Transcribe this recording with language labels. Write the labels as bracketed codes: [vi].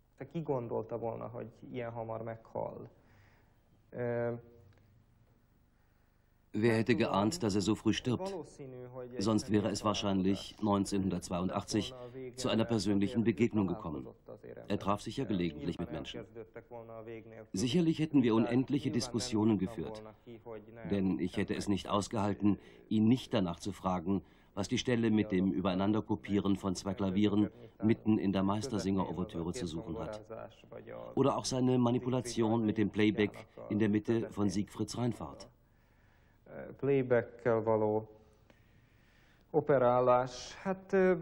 [hu] Ki gondolta volna, hogy ilyen hamar meghal? [de] Wer hätte geahnt, dass so früh stirbt? Sonst wäre es wahrscheinlich 1982 zu einer persönlichen Begegnung gekommen. Er traf sich ja gelegentlich mit Menschen. Sicherlich hätten wir unendliche Diskussionen geführt, denn ich hätte es nicht ausgehalten, ihn nicht danach zu fragen, was die Stelle mit dem Übereinanderkopieren von zwei Klavieren mitten in der Meistersinger-Ouvertüre zu suchen hat. Oder auch seine Manipulation mit dem Playback in der Mitte von Siegfrieds Reinfahrt. [hu] Playback-kel való operálás. Hát